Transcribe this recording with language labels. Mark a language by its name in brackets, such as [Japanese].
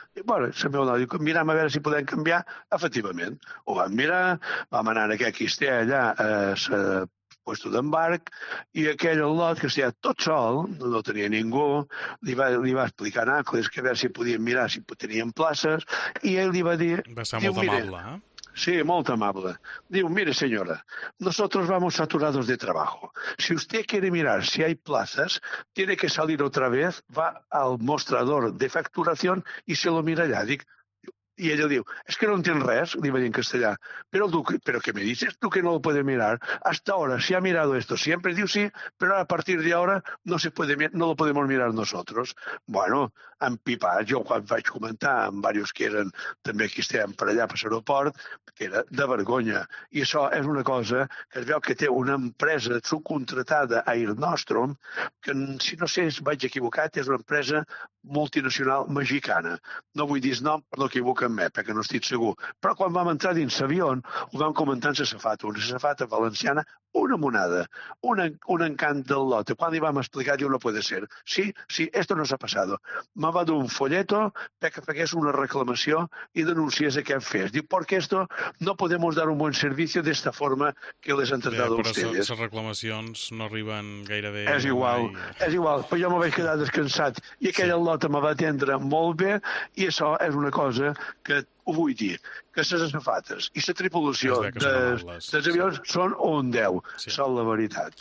[Catalan] I, bueno, la meva dona diu, mirem a veure si podem canviar. Efectivament, ho vam mirar, vam anar a aquest que hi allà a la puesto d'embarc, i aquell lot que estava tot sol, no tenia ningú, li va explicar a Nàcles que a veure si podien mirar, si tenien places, i ell li va dir... Va ser molt amable, eh? Sí, molt amable. [Spanish] Diu, mire, senyora, nosotros vamos saturados de trabajo. Si usted quiere mirar si hay plazas, tiene que salir otra vez, va al mostrador de facturación y se lo mira allà. Dic, [Catalan] I ella diu, és que no entén res, li va dir en castellà. Però tu, però [Spanish] què me dices tu que no lo puede mirar? Hasta ahora se ha mirado esto. Siempre [Catalan] diu sí, però [Spanish] a partir de ahora no se puede, no lo podemos mirar nosotros. [Catalan] Bueno, empipat, jo quan vaig comentar amb varios que eren també que estaven per allà per l'aeroport, que era de vergonya. I això és una cosa que es veu que té una empresa subcontratada a Air Nostrum, que si no sé si vaig equivocat, és una empresa multinacional mexicana. No vull dir nom, però no equivoco amb me, perquè no estic segur. Però quan vam entrar dins l'avion, ho vam comentar amb la safata, una safata valenciana, una monada, un encant del lote. Quan li vam explicar, diu, [Spanish] no puede ser. Sí, sí, esto nos ha pasado. [Catalan] Me va dur un folleto perquè fagués una reclamació i denunciés aquest fet. [Spanish] Diu, porque esto no podemos dar un buen servicio de esta forma que les han tratado a ustedes. [Catalan] Però les reclamacions no arriben gaire bé. És igual, és igual. Però jo me vaig quedar descansat i aquella lota me va atendre molt bé i això és una cosa que ho vull dir, que les safates i la tripulació dels avions són un 10, són la veritat.